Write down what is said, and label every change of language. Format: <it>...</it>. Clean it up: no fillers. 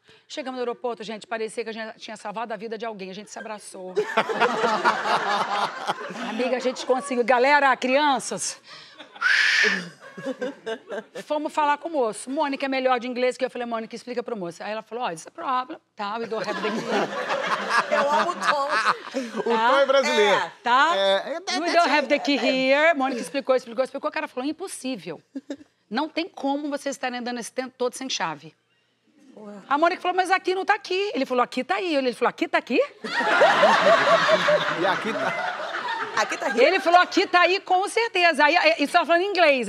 <pt>Chegamos no aeroporto, gente, parecia que a gente tinha salvado a vida de alguém. A gente se abraçou. Amiga, a gente conseguiu. Galera, crianças. Fomos falar com o moço. Mônica é melhor de inglês que eu. Falei, Mônica, explica pro moço. Aí ela falou, oh, isso é problema.</pt> <en>Tá, we don't have the English.</en> <pt>Eu amo o Tom. Tá? O Tom é brasileiro. É. Tá?</pt> <en>We don't have the key here.</en> <pt>Mônica explicou. O cara falou, impossível. Não tem como vocês estarem andando esse tempo todo sem chave. A Mônica falou, mas aqui não tá aqui. Ele falou, aqui tá aí. Ele falou, aqui tá aqui? E aqui tá... Aqui tá aqui. Ele falou, aqui tá aí, com certeza. Aí, isso tava falando em inglês.</pt>